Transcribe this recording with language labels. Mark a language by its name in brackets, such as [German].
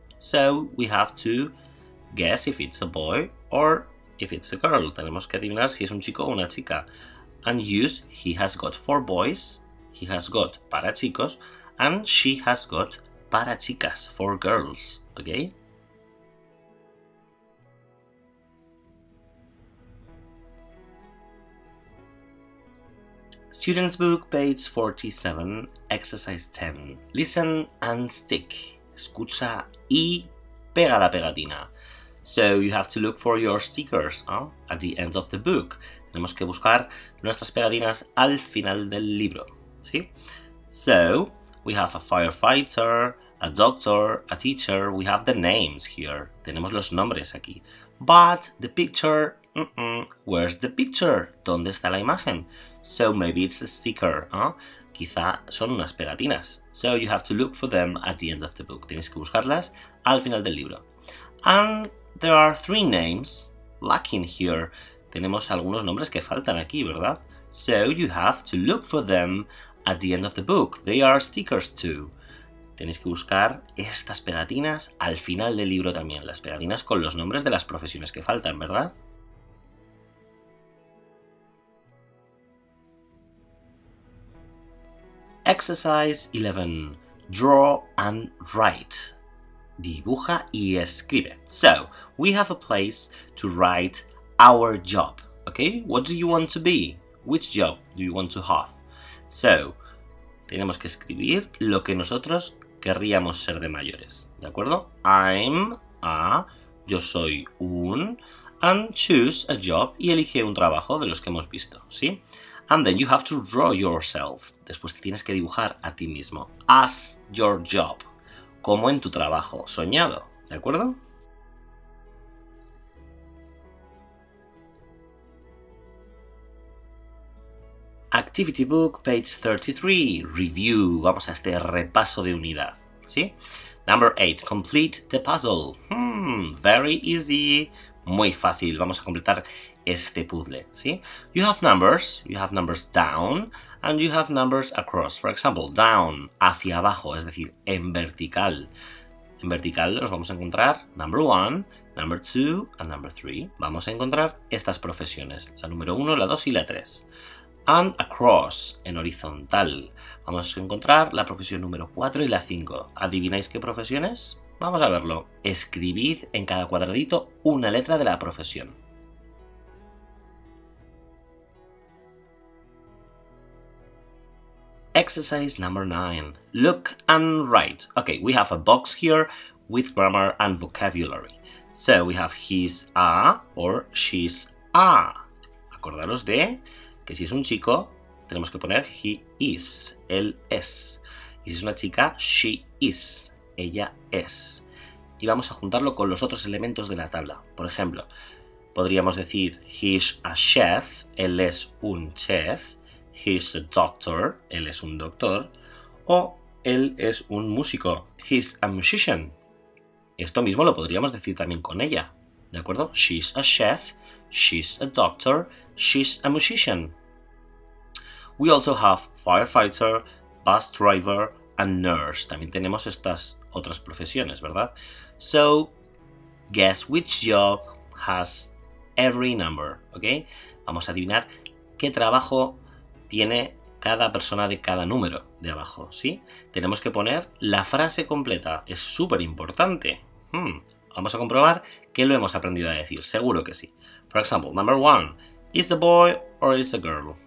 [English] So we have to guess if it's a boy or if it's a girl. [Spanish] Tenemos que adivinar si es un chico o una chica. [English] And use he has got for boys. He has got [Spanish] para chicos [English] and she has got [Spanish] para chicas, [English] for girls, okay? Students book, page 47, exercise 10. Listen and stick. [Spanish] Escucha y pega la pegatina. [English] So you have to look for your stickers, huh? At the end of the book. [Spanish] Tenemos que buscar nuestras pegatinas al final del libro. [English] ¿Sí? So, we have a firefighter, a doctor, a teacher. We have the names here. [Spanish] Tenemos los nombres aquí. [English] But the picture, where's the picture? [Spanish] ¿Dónde está la imagen? [English] So, maybe it's a sticker. [Spanish] Quizá son unas pegatinas. [English] So, you have to look for them at the end of the book. [Spanish] Tienes que buscarlas al final del libro. [English] And there are three names lacking here. [Spanish] Tenemos algunos nombres que faltan aquí, ¿verdad? [English] So, you have to look for them at the end of the book. They are stickers too. [Spanish] Tenéis que buscar estas pegatinas al final del libro también, las pegatinas con los nombres de las profesiones que faltan, ¿verdad? [English] Exercise 11. Draw and write. [Spanish] Dibuja y escribe. [English] So, we have a place to write our job. Okay, what do you want to be? Which job do you want to have? [Spanish] So, tenemos que escribir lo que nosotros querríamos ser de mayores. ¿De acuerdo? [English] I'm a... [Spanish] Yo soy un... [English] And choose a job [Spanish] y elige un trabajo de los que hemos visto, ¿sí? [English] And then you have to draw yourself. [Spanish] Después te tienes que dibujar a ti mismo. [English] As your job. [Spanish] Como en tu trabajo soñado. ¿De acuerdo? [English] Activity book, page 33. Review. [Spanish] Vamos a este repaso de unidad. ¿Sí? [English] Number 8. Complete the puzzle. Very easy. [Spanish] Muy fácil. Vamos a completar este puzzle, ¿sí? [English] You have numbers down, and you have numbers across. For example, down, [Spanish] hacia abajo, es decir, en vertical. En vertical nos vamos a encontrar [English] number one, number two, and number three. [Spanish] Vamos a encontrar estas profesiones, la número uno, la dos y la tres. [English] And across, [Spanish] en horizontal, vamos a encontrar la profesión número cuatro y la cinco. ¿Adivináis qué profesiones? Vamos a verlo. Escribid en cada cuadradito una letra de la profesión. [English] Exercise number 9. Look and write. Okay, we have a box here with grammar and vocabulary. So we have he's a or she's a. [Spanish] Acordaros de que si es un chico, tenemos que poner he is, él es. Y si es una chica, she is, ella es. Y vamos a juntarlo con los otros elementos de la tabla. Por ejemplo, podríamos decir [English] he's a chef, [Spanish] él es un chef. [English] He's a doctor, [Spanish] él es un doctor, o él es un músico, [English] he's a musician. [Spanish] Esto mismo lo podríamos decir también con ella, ¿de acuerdo? [English] She's a chef, she's a doctor, she's a musician. We also have firefighter, bus driver, and nurse. [Spanish] También tenemos estas otras profesiones, ¿verdad? [English] So, guess which job has every number, ¿ok? [Spanish] Vamos a adivinar qué trabajo tiene cada persona de cada número de abajo, ¿sí? Tenemos que poner la frase completa, es súper importante. Vamos a comprobar que lo hemos aprendido a decir, seguro que sí. [English] For example, number one, is a boy or is a girl?